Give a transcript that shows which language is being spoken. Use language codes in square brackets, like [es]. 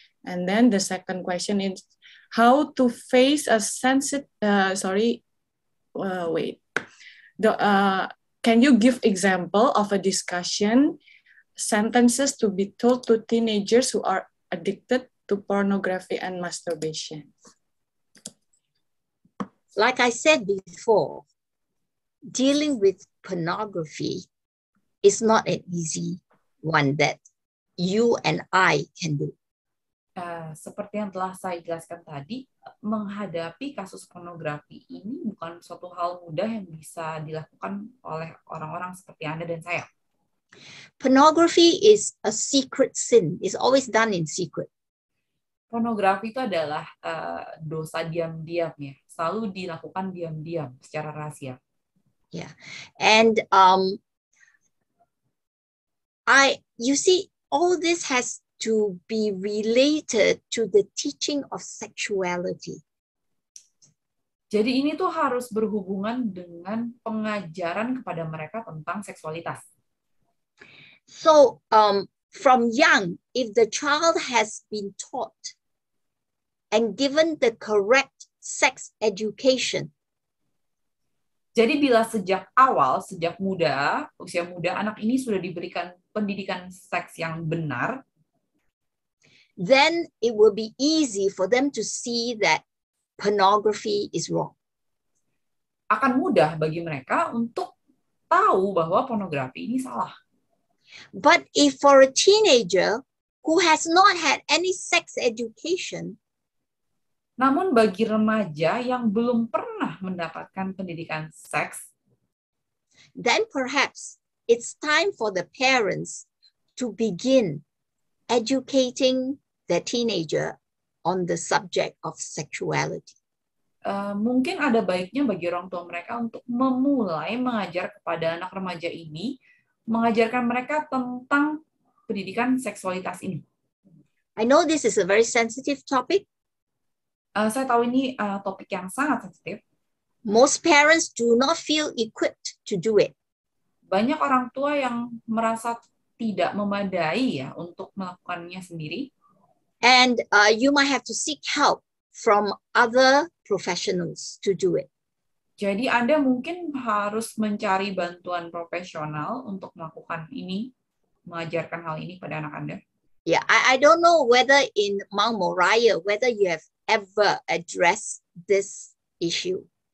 [en] And then the second question is, how to face a sensitive, can you give example of a discussion, sentences to be told to teenagers who are addicted to pornography and masturbation? Like I said before, dealing with pornography is not an easy one that you and I can do. [id] Seperti yang telah saya jelaskan tadi, menghadapi kasus pornografi ini bukan suatu hal mudah yang bisa dilakukan oleh orang-orang seperti Anda dan saya. [en] Pornography is a secret sin. It's always done in secret. [id] Pornografi itu adalah dosa diam-diam ya. Selalu dilakukan diam-diam secara rahasia. [en] Yeah. And all this has to be related to the teaching of sexuality. [id] Jadi ini tuh harus berhubungan dengan pengajaran kepada mereka tentang seksualitas. [en] So, from young, if the child has been taught and given the correct sex education. [id] Jadi bila sejak awal, sejak muda, usia muda, anak ini sudah diberikan pendidikan seks yang benar, [en] then it will be easy for them to see that pornography is wrong. [id] Akan mudah bagi mereka untuk tahu bahwa pornografi ini salah. [en] But if for a teenager who has not had any sex education, [id] namun bagi remaja yang belum pernah mendapatkan pendidikan seks, [en] then perhaps it's time for the parents to begin educating the teenager on the subject of sexuality. [id] Mungkin ada baiknya bagi orang tua mereka untuk memulai mengajar kepada anak remaja ini, mengajarkan mereka tentang pendidikan seksualitas ini. [en] I know this is a very sensitive topic. [id] Saya tahu ini topik yang sangat sensitif. [en] Most parents do not feel equipped to do it. [id] Banyak orang tua yang merasa tidak memadai ya untuk melakukannya sendiri. [en] And you might have to seek help from other professionals to do it. [id] Jadi Anda mungkin harus mencari bantuan profesional untuk melakukan ini, mengajarkan hal ini pada anak Anda. [en] Yeah, I don't know whether in Mount Moriah whether you have ever addressed this issue.